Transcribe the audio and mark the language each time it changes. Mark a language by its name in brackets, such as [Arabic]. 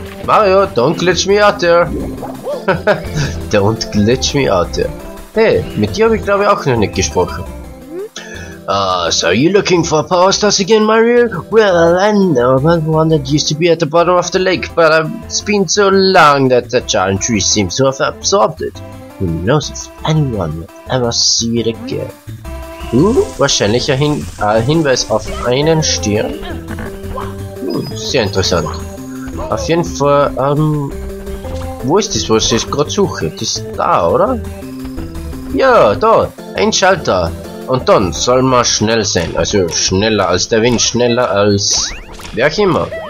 [English] Mario, don't glitch me out there. Don't glitch me out there. [German] Hey, mit dir habe ich glaube ich auch noch nicht gesprochen. [English] So are you looking for power stars again, Mario? Well, I know about one that used to be at the bottom of the lake, but it's been so long that the giant tree seems to have absorbed it. Who knows if anyone will ever see it again? [German] Wahrscheinlich ein Hinweis auf einen Stern? Sehr interessant. Auf jeden Fall, wo ist das, was ich gerade suche? Das ist da, oder? Ja, da, ein Schalter. Und dann soll man schnell sein, also schneller als der Wind, schneller als wer auch immer.